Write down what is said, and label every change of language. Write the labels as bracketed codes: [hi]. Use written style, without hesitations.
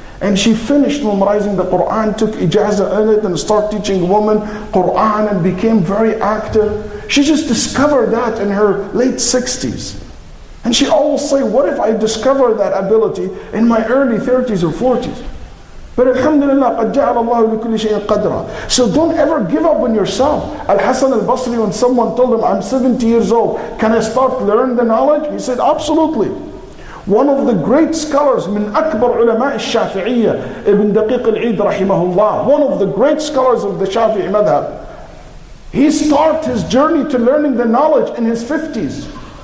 [en] And she finished memorizing the Quran, took ijazah in it, and started teaching women Quran, and became very active. She just discovered that in her late 60s. And she always say, what if I discovered that ability in my early 30s or 40s? But [ar] alhamdulillah, قَدْ جَعَلَ اللَّهُ لِكُلِّ شَيْءٍ قَدْرًا. [en] So don't ever give up on yourself. Al-Hasan al-Basri, when someone told him, I'm 70 years old, can I start learning the knowledge? He said, absolutely. One of the great scholars, [ar] من أكبر علماء الشافعية, [en] Ibn Daqiq al-Eid [ar] رحمه الله, [en] one of the great scholars of the Shafi'i madhab, he started his journey to learning the knowledge in his 50s.